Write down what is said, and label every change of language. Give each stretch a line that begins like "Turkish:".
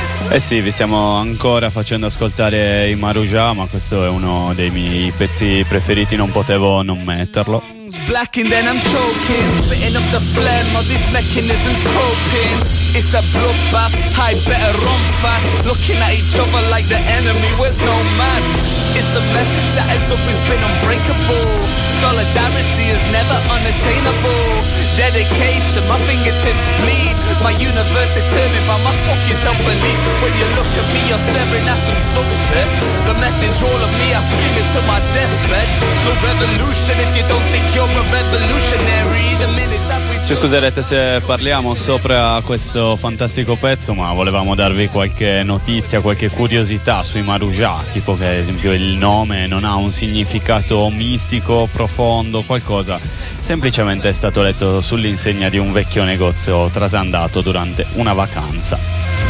Italian: Eh sì, vi stiamo ancora facendo ascoltare i Marujá, ma questo è uno dei miei pezzi preferiti, non potevo non metterlo.
English: Blackened and I'm choking, spitting up the phlegm, all these mechanisms coping. It's a bloodbath, I better run fast, looking at each other like the enemy wears no mask. It's the message that has always been unbreakable, solidarity is never unattainable. Dedication, my fingertips bleed, my universe determined by my fucking self-belief. When you look at me, you're staring at some success, the message all of me, I scream it to my deathbed. No revolution if you don't think you're a revolutionary. The minute that we...
Italian: Ci scuserete se parliamo sopra questo fantastico pezzo, ma volevamo darvi qualche notizia, qualche curiosità sui Marujá, tipo che ad esempio il nome non ha un significato mistico, profondo, qualcosa. Semplicemente è stato letto sull'insegna di un vecchio negozio trasandato durante una vacanza.